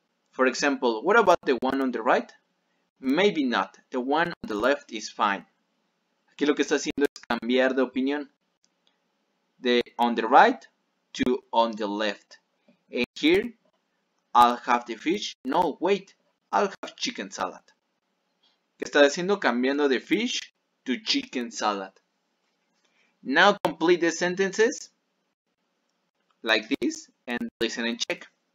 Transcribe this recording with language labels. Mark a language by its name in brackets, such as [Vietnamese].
[English] For example, what about the one on the right? Maybe not. The one on the left is fine. [Spanish] Aquí lo que está haciendo es cambiar de opinión. [English] The on the right to on the left. And here, I'll have the fish. No, wait. I'll have chicken salad. [Spanish] ¿Qué está haciendo? Cambiando de [English] fish to chicken salad. Now complete the sentences like this and listen and check.